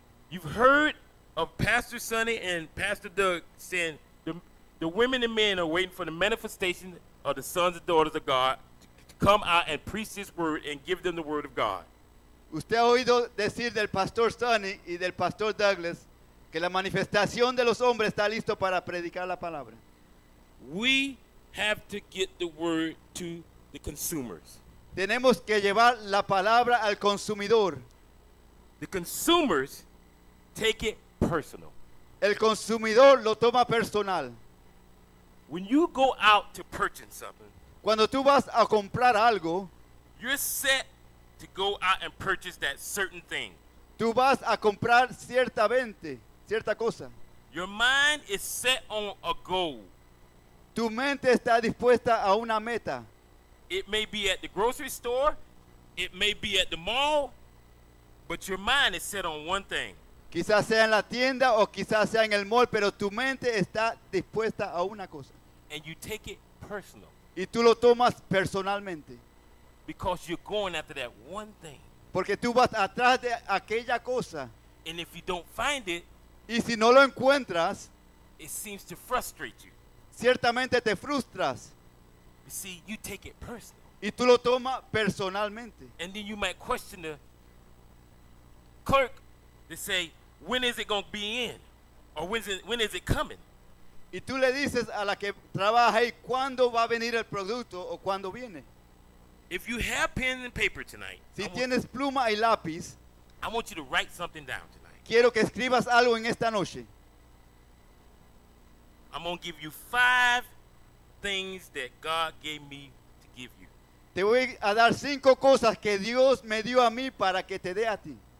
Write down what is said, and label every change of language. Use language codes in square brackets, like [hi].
[en] You've heard of Pastor Sonny and Pastor Doug saying the women and men are waiting for the manifestation of the sons and daughters of God to come out and preach this word and give them the word of God. [es] Usted ha oído decir del Pastor Sonny y del Pastor Douglas que la manifestación de los hombres está listo para predicar la palabra. [en] We have to get the word to the consumers. [es] Tenemos que llevar la palabra al consumidor. [en] The consumers take it personal. [es] El consumidor lo toma personal. [en] When you go out to purchase something, [es] cuando tú vas a comprar algo, [en] you're set to go out and purchase that certain thing. [es] Tú vas a comprar cierta cosa. [en] Your mind is set on a goal. [es] Tu mente está dispuesta a una meta. [en] It may be at the grocery store, it may be at the mall, but your mind is set on one thing. [es] Quizás sea en la tienda o quizás sea en el mall, pero tu mente está dispuesta a una cosa. [en] And you take it personal. [es] Y tú lo tomas personalmente. [en] Because you're going after that one thing. [es] Porque tú vas atrás de aquella cosa. [en] And if you don't find it, [es] y si no lo encuentras, [en] it seems to frustrate you. [es] Ciertamente te frustras. [en] You see, you take it personal. [es] Y tú lo tomas personalmente. [en] And then you might question the clerk. They say, when is it going to be in? Or when is it coming? [es] Y tú le dices a la que trabaja ahí, ¿cuándo va a venir el producto o cuándo viene? [en] If you have pen and paper tonight, [es] si tienes pluma y lápiz, [en] I want you to write something down tonight. [es] Quiero que escribas algo en esta noche. [en] I'm going to give you 5 things that God gave me to give you. [es] Te voy a dar 5 cosas que Dios me dio a mí para que te dé a ti.